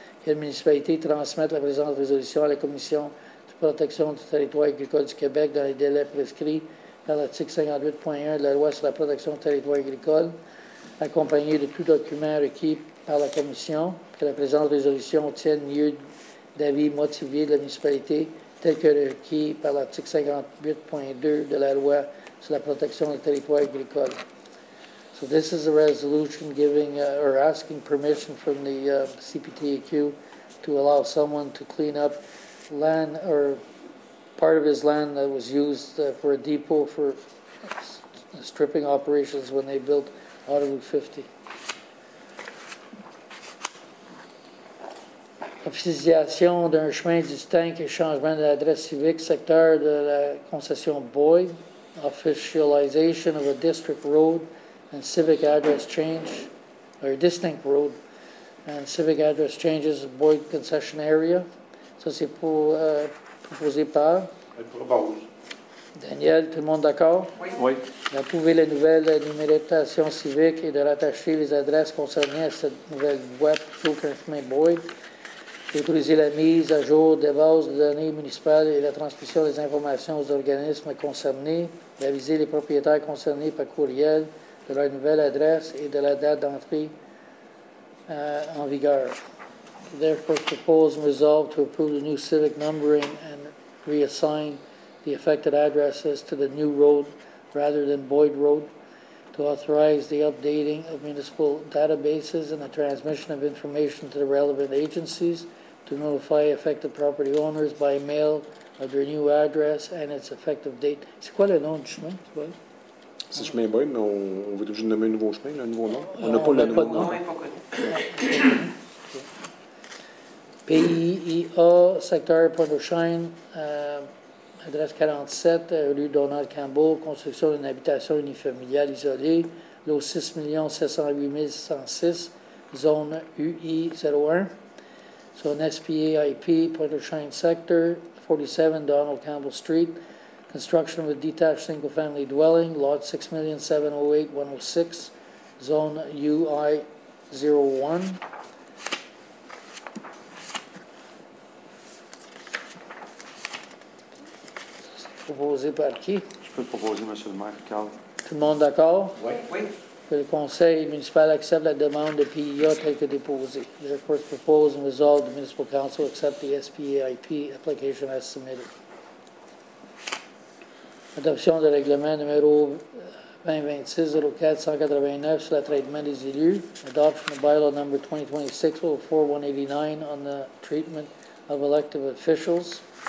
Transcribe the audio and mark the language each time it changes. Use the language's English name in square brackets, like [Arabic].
[French] Que la municipalité transmette la présente résolution à la Commission de protection du territoire agricole du Québec dans les délais prescrits par l'article 58.1 de la Loi sur la protection du territoire agricole, accompagné de tout document requis par la Commission. Que la présente résolution tienne lieu d'avis motivé de la municipalité tel que requis par l'article 58.2 de la loi sur la protection du territoire agricole. [English] So this is a resolution giving or asking permission from the CPTAQ to allow someone to clean up land or part of his land that was used for a depot for stripping operations when they built Autoroute 50. [French] Officialisation d'un chemin distinct et changement de l'adresse civique secteur de la concession Boyd. [English] Officialization of a district road and civic address change, or distinct road and civic address changes of Boyd concession area. [French] Ça, c'est proposé par. Elle propose. Daniel, tout le monde d'accord? Oui. D'approuver les nouvelles numérotations civiques et de rattacher les adresses concernées à cette nouvelle voie plutôt qu'un chemin brouillé. D'autoriser la mise à jour des bases de données municipales et la transmission des informations aux organismes concernés. D'aviser les propriétaires concernés par courriel de leur nouvelle adresse et de la date d'entrée en vigueur. [English] Therefore, propose and resolve to approve the new civic numbering and reassign the affected addresses to the new road rather than Boyd Road, to authorize the updating of municipal databases and the transmission of information to the relevant agencies, to notify affected property owners by mail of their new address and its effective date. [French] C'est quoi le nom du chemin? C'est le chemin Boyd, mais on veut toujours nommer un nouveau chemin, un nouveau nom. On n'a pas le nouveau nom. PIA, secteur Pointe-aux-Chênes, adresse 47, rue Donald Campbell, construction d'une habitation unifamiliale isolée, lot 6,708,106, zone UI01. [English] Sur un SPAIP, Pointe-aux-Chênes secteur, 47 Donald Campbell Street, construction of a detached single-family dwelling, lot 6,708,106, zone UI01. [French] Proposé par qui? Je peux le proposer, Monsieur le maire, Carl. Tout le monde d'accord? Oui. Que le conseil municipal accepte la demande de PIA telle que déposée. [English] The report propose and resolve the municipal council accept the SPAIP application as submitted. [French] Adoption de règlement numéro 2026-04-189 sur le traitement des élus. [English] Adoption of bylaw number 2026-04-189 on the treatment of elective officials.